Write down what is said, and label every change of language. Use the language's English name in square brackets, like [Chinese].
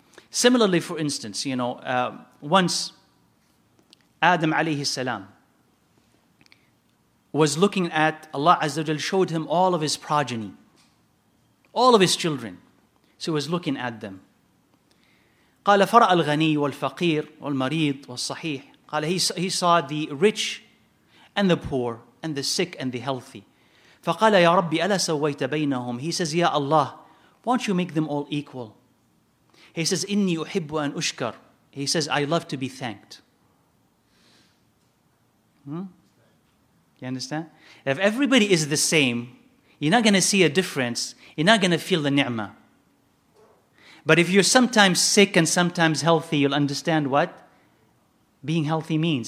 [English] Similarly, for instance, you know, once Adam alayhi salam was looking at Allah Azza wa Jal showed him all of his progeny, all of his children. So he was looking at them. [Arabic] قال فرأى الغني والفقير والمريض والصحيح. [English] قال he saw the rich and the poor and the sick and the healthy. [Arabic] فقال يا ربي ألا سويت بينهم. [English] He says, Ya Allah, won't you make them all equal? He says, [Arabic] إني أحب أن أشكر. [English] He says, I love to be thanked. You understand? If everybody is the same, you're not going to see a difference. You're not going to feel the ni'mah. But if you're sometimes sick and sometimes healthy, you'll understand what being healthy means.